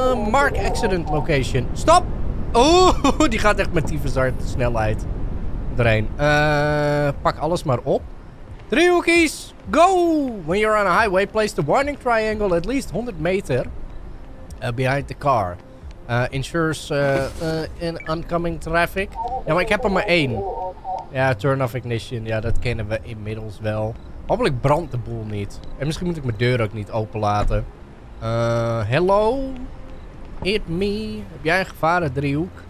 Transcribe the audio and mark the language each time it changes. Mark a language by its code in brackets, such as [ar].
[en] Mark accident location. Stop! [nl] Oeh, die gaat echt met tyfus hard snelheid. Erheen. Pak alles maar op. Driehoekies, go! [en] When you're on a highway, place the warning triangle at least 100 meter behind the car. Ensures in oncoming traffic. [nl] Ja, maar ik heb er maar één. Ja, [en] turn off ignition. [nl] Ja, dat kennen we inmiddels wel. Hopelijk brandt de boel niet. En misschien moet ik mijn deur ook niet openlaten. [en] Hello? It me. [nl] Heb jij een gevaren driehoek?